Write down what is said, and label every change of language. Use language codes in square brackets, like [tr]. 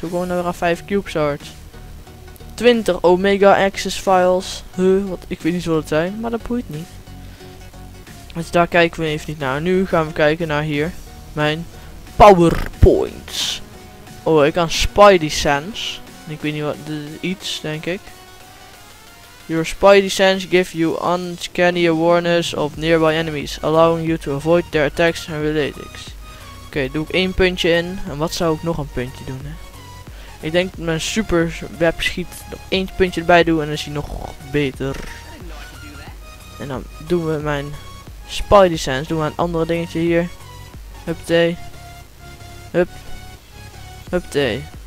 [nl] Hoe komen we nou weer aan 5 Cube Shards? 20 Omega Access Files. Huh, wat, ik weet niet wat het zijn, maar dat boeit niet. Dus daar kijken we even niet naar. Nu gaan we kijken naar hier. Mijn PowerPoints. Oh, ik kan Spidey Sense. Ik weet niet wat, dit is iets, denk ik. [en] Your Spidey Sense give you uncanny awareness of nearby enemies, allowing you to avoid their attacks and relatics. [nl] Oké, doe ik 1 puntje in. En wat zou ik nog een puntje doen, hè? Ik denk dat mijn super webschiet nog 1 puntje erbij doen en dan is hij nog beter. En dan doen we mijn Spidey Sense. Doen we een ander dingetje hier. Huppatee. Hup. Huppatee.